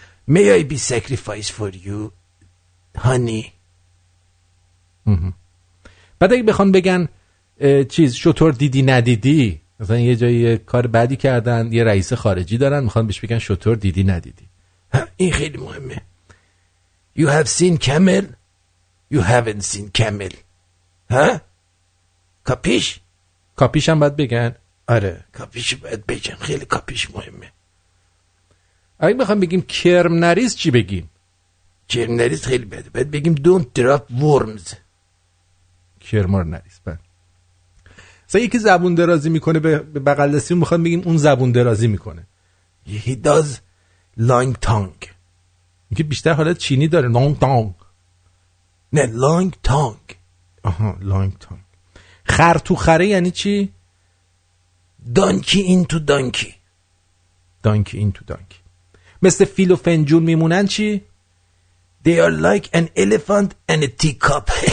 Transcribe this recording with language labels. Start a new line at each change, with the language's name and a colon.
English: May I be sacrificed for you, honey?
Persian: بعد اگه بخوان بگن چیز شطور دیدی ندیدی، مثلا یه جایی کار بعدی کردن یه رئیس خارجی دارن میخوان بهش بگن شطور دیدی ندیدی. این خیلی مهمه.
English: You have seen camel, you haven't seen camel.
Persian: ها؟ کاپیش؟ کاپیش هم باید بگن. آره کاپیش باید بگن، خیلی کاپیش مهمه. اگه بخوام بگیم کرم نریز چی بگیم؟ کرم نریز خیلی بده، باید بگیم
English: don't drop worms.
Persian: کرم نریز باید. مثلا یکی زبون درازی میکنه به بغل دستیم، میخوام بگیم اون زبون درازی میکنه.
English: He does long tongue.
Persian: که بیشتر حالت چینی داره، لانگ تانگ. نه لانگ تانگ. آها لانگ تانگ. خر تو خره یعنی چی؟
English: Donkey این تو donkey. Donkey این تو دانکی.
Persian: مثل فیل و فنجون میمونن چی؟
English: They are like an elephant and a teacup.